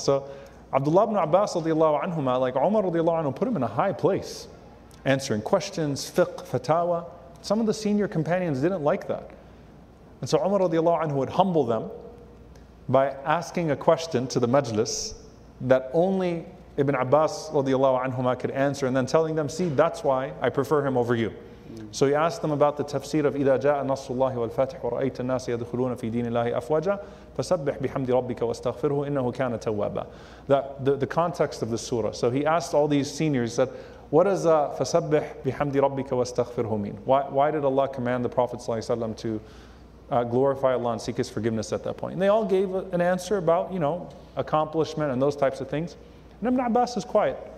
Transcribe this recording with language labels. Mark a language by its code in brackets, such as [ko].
[en] So Abdullah ibn Abbas radiallahu anhuma, like Umar radiallahu anhu, put him in a high place, answering questions, fiqh, fatawa. Some of the senior companions didn't like that. And so Umar radiallahu anhu would humble them by asking a question to the majlis that only Ibn Abbas radiallahu anhuma could answer, and then telling them, see, that's why I prefer him over you. So he asked them about the tafsir of [ar] إِذَا جَاءَ نَصْرُ اللَّهِ وَالْفَاتِحُ وَرَأَيْتَ النَّاسِ يَدْخُلُونَ فِي دِينِ اللَّهِ أَفْوَاجًا فَسَبِّحْ بِحَمْدِ رَبِّكَ وَاسْتَغْفِرْهُ إِنَّهُ كَانَ تَوَّابًا. [en] The context of the surah. So he asked all these seniors, that what does [ar] فَسَبِّحْ بِحَمْدِ رَبِّكَ وَاسْتَغْفِرْهُ [en] mean? Why did Allah command the Prophet ﷺ to glorify Allah and seek His forgiveness at that point? And they all gave an answer about, you know, accomplishment and those types of things. And Ibn Abbas is quiet.